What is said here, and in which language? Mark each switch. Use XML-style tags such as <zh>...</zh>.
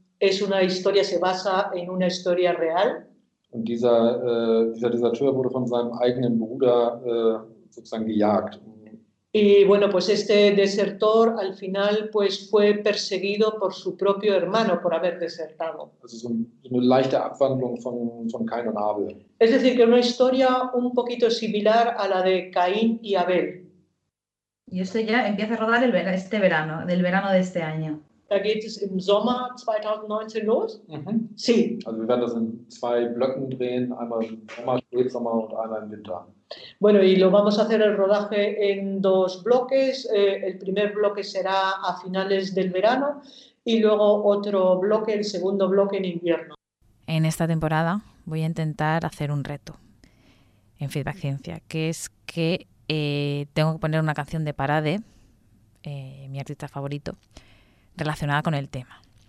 <es>Es una historia, se basa en una historia real.</es> <de>Und dieser Deserteur wurde von seinem eigenen Bruder sozusagen gejagt.</de> <es>Y bueno, pues este desertor al final pues fue perseguido por su propio hermano por haber desertado.</es> <de>Also so eine leichte Abwandlung von Cain und Abel.</de> <es>Es decir, que una historia un poquito similar a la de Caín y Abel. Y esto ya empieza a rodar este verano, del verano de este año.</es> <de>Da geht es im Sommer 2019 los. Mhm.</de> <es>Sí.</es> <de>Also wir werden das in zwei Blöcken drehen, einmal im Sommer, Spätsommer und einmal im Winter.</de> <es>Bueno, y lo vamos a hacer el rodaje en dos bloques. El primer bloque será a finales del verano y luego otro bloque, el segundo bloque en invierno. En esta temporada voy a intentar hacer un reto en Feedback Ciencia, que es que tengo que poner una canción de Parade, mi artista favorito, relacionada con el tema.</es>